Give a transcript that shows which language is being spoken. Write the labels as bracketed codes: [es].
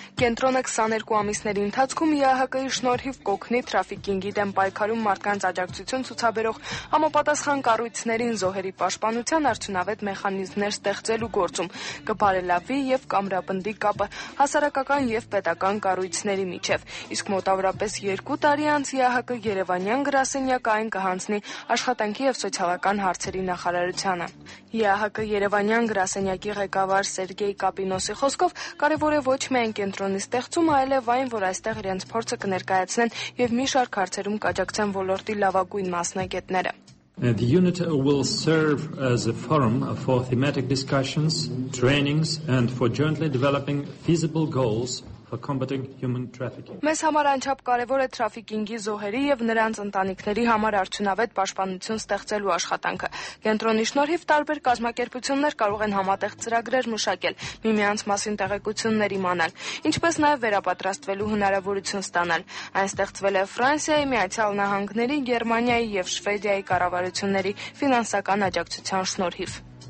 [hy] Կենտրոնը 22 ամիսների ընթացքում ԵԱՀԿ-ի շնորհիվ կոգնի Traffic-ing-ի դեմ պայքարում մարդկանց աջակցություն ցուցաբերող համապատասխան կառույցներին զոհ պաշտպանության արդյունավետ մեխանիզմներ ստեղծելու գործում, կբարելավի և կամրապնդի կապը հասարակական և պետական կառույցների միջև, իսկ մոտավորապես 2 տարի անց ԵԱՀԿ Երևանյան գրասենյակը այն կհանձնի աշխատանքի և սոցիալական հարցերի նախարարությանը։ ԵԱՀԿ Երևանյան գրասենյակի ղեկավար Սերգեյ Կապինոսի խոսքով կարևոր է ոչ միայն կենտրոնի ստեղծումը, այլև այն, որ այստեղ իրենց փորձը կներկայացնեն և մի շարք հարցերում կաջակցեն ոլորտի լավագույն մասնակիցները։ [en] And the unit will serve as a forum for thematic discussions, trainings, and for jointly developing feasible goals for combating human trafficking. [hy] Մեզ համար անչափ կարևոր է տրաֆիկինգի զոհերի եւ նրանց ընտանիքների համար արդյունավետ պաշտպանություն ստեղծելու աշխատանքը։ Կենտրոնի շնորհիվ տարբեր կազմակերպություններ կարող են համատեղ ծրագրեր մշակել, միմյանց մասին տեղեկություններ իմանալ, ինչպես նաեւ վերապատրաստվելու հնարավորություն ստանալ։ Այն ստեղծվել է Ֆրանսիայի, Միացյալ Նահանգների, Գերմանիայի եւ Շվեդիայի կառավարությունների ֆինանսական աջակցության շնորհիվ։